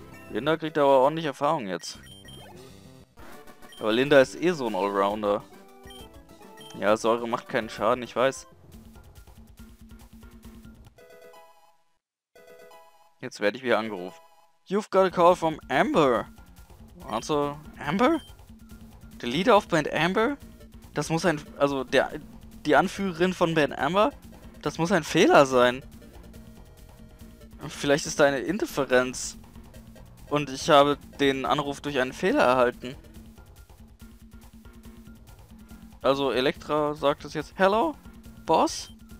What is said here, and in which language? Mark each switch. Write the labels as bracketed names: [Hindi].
[German] Linda kriegt aber ordentlich Erfahrung jetzt. Aber Linda ist eh so ein Allrounder. Ja, Säure macht keinen Schaden, ich weiß. Jetzt werde ich wieder angerufen. [English] You've got a call from Amber. Also, Amber? The leader of Band Amber? [German] Das muss ein... Also, die Anführerin von Band Amber? Das muss ein Fehler sein. Vielleicht ist da eine Interferenz. Und ich habe den Anruf durch einen Fehler erhalten. Also, Elektra sagt es jetzt. [English] Hello? Boss?